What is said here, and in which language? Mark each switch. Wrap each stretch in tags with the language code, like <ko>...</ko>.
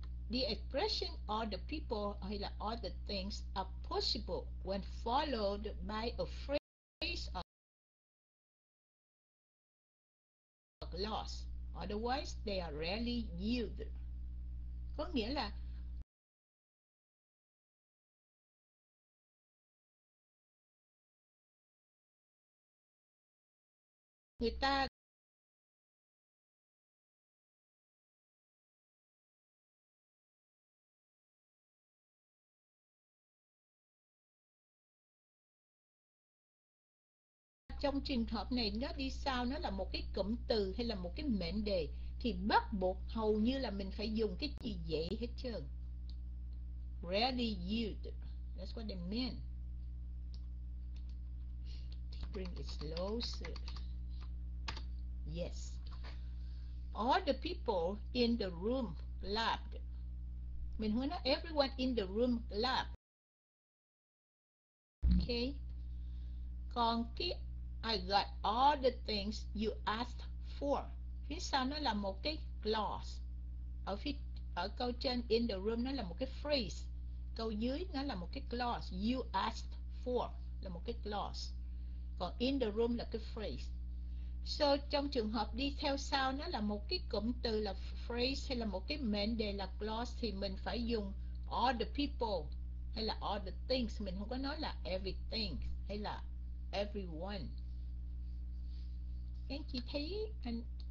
<en>The expression all the people hay là all the things are possible when followed by a phrase of loss. Otherwise, they are rarely used.</en> <vi>Có nghĩa là người ta trong trường hợp này nó đi sao, nó là một cái cụm từ hay là một cái mệnh đề thì bắt buộc hầu như là mình phải dùng cái gì vậy hết trơn.</vi> <en>Rarely used, that's what they mean. Bring it closer. Yes. All the people in the room clapped. Mình không nói everyone in the room clapped. Okay. Còn cái I got all the things you asked for.</en> <vi>Phía sau nó là một cái clause. Ở câu trên in the room nó là một cái phrase. Câu dưới nó là một cái clause. You asked for là một cái clause. Còn in the room là cái phrase. So trong trường hợp đi theo sau nó là một cái cụm từ là phrase hay là một cái mệnh đề là clause thì mình phải dùng all the people hay là all the things, mình không có nói là everything hay là everyone. Các anh chị thấy anh</vi>